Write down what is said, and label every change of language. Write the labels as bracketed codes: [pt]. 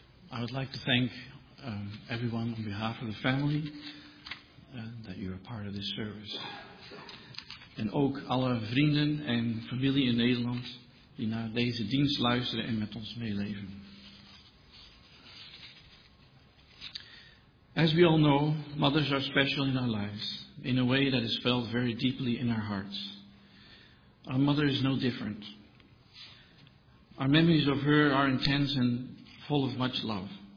[en] I would like to thank everyone on behalf of the family that you're a part of this service. [nl] En ook alle vrienden en familie in Nederland die naar deze dienst luisteren en met ons meeleven. [en] As we all know, mothers are special in our lives, in a way that is felt very deeply in our hearts. Our mother is no different. Our memories of her are intense and full of much love.